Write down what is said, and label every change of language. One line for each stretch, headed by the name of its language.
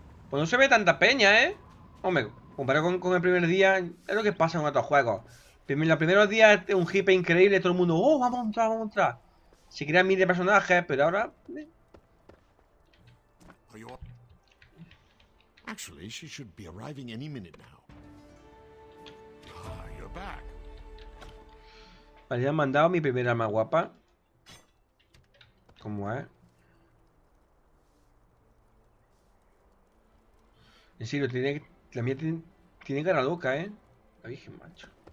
Spanish: Pues no se ve tanta peña, ¿eh? Hombre, comparado con el primer día, es lo que pasa con estos juegos. Los primeros días es un hype increíble, todo el mundo, ¡oh, vamos a entrar, vamos a entrar! Si crean mil de personajes, pero ahora.
English: Actually, she should be arriving any minute now. You're back.
Spanish: Vale, ya han mandado mi primera arma guapa. ¿Cómo es? En serio, la mía tiene cara loca, ¿eh? La virgen, macho.